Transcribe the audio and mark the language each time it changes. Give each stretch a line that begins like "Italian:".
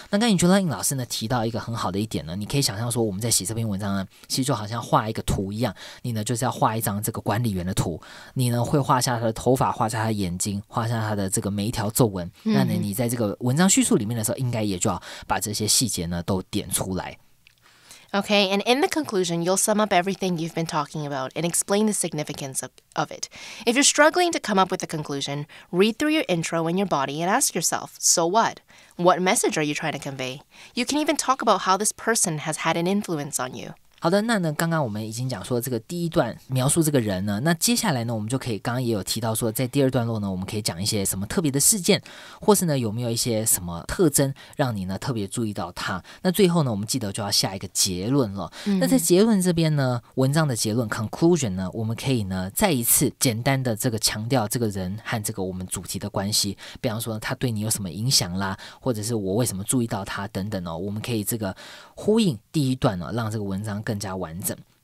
Chinese: 那刚才觉得林老师呢提到一个很好的一点呢，你可以想象说我们在写这篇文章呢，其实就好像画一个图一样，你呢就是要画一张这个管理员的图，你呢会画下他的头发，画下他的眼睛，画下他的这个每一条皱纹。那呢你在这个文章叙述里面的时候，应该也就要把这些细节呢都点出来。
English: Okay, and in the conclusion, you'll sum up everything you've been talking about and explain the significance of it. If you're struggling to come up with a conclusion, read through your intro and your body and ask yourself, so what? What message are you trying to convey? You can even talk about how this person has had an influence on you.
Chinese: 好的，那呢刚刚我们已经讲说这个第一段描述这个人呢，那接下来呢我们就可以，刚刚也有提到说在第二段落呢我们可以讲一些什么特别的事件，或是呢有没有一些什么特征让你呢特别注意到他。那最后呢我们记得就要下一个结论了。那在结论这边呢，文章的结论 conclusion 呢，我们可以呢再一次简单的这个强调这个人和这个我们主题的关系，比方说他对你有什么影响啦，或者是我为什么注意到他等等哦，我们可以这个呼应第一段呢，让这个文章更加完整。